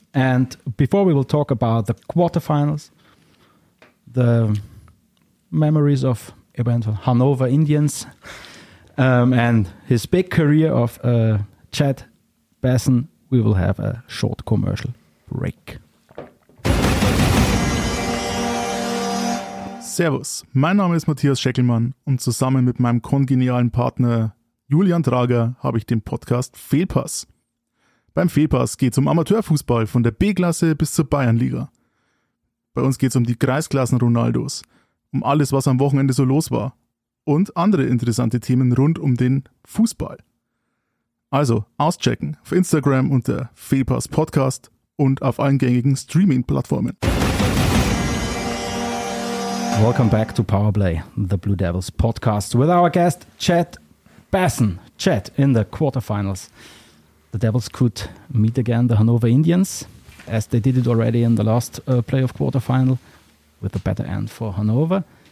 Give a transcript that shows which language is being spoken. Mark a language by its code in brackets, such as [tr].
[en] And before we will talk about the quarterfinals, the memories of events of Hanover Indians and his big career of Chad Basson, we will have a short commercial break. [de] Servus, mein Name ist Matthias Schäckelmann und zusammen mit meinem kongenialen Partner Julian Trager habe ich den Podcast Fehlpass. Beim Fehlpass geht es um Amateurfußball von der B-Klasse bis zur Bayernliga. Bei uns geht es um die Kreisklassen-Ronaldos, um alles, was am Wochenende so los war und andere interessante Themen rund um den Fußball. Also auschecken auf Instagram unter Fehlpass Podcast und auf allen gängigen Streaming-Plattformen. [en] Welcome back to Powerplay, the Blue Devils podcast, with our guest Chad Basson. Chad, in the quarterfinals, the Devils could meet again the Hanover Indians, as they did it already in the last playoff quarterfinal, with a better end for Hanover.